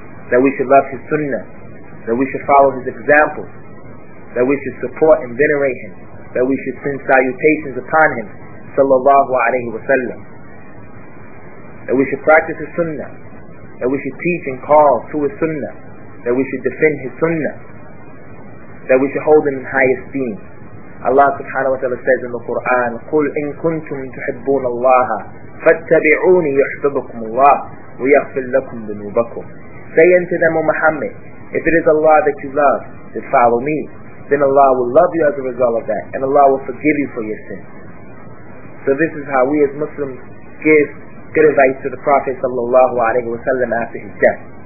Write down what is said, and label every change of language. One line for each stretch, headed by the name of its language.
English: That we should love his sunnah, that we should follow his example, that we should support and venerate him, that we should send salutations upon him sallallahu alayhi wa sallam, that we should practice his sunnah, that we should teach and call to his sunnah, that we should defend his sunnah, that we should hold him in high esteem. Allah subhanahu wa ta'ala says in the Quran,
Arabic: قُلْ إِن كُنْتُمْ تُحِبُّونَ اللَّهَ فَاتَّبِعُونِي يُحْبِبُكُمُ اللَّهُ وَيَغْفِرْ لَكُمْ ذُنُوبَكُمْ.
English: Say unto them, O Muhammad, if it is Allah that you love, then follow me. Then Allah will love you as a result of that, and Allah will forgive you for your sins. So this is how we as Muslims give good advice to the Prophet sallallahu alayhi wa sallam after his death.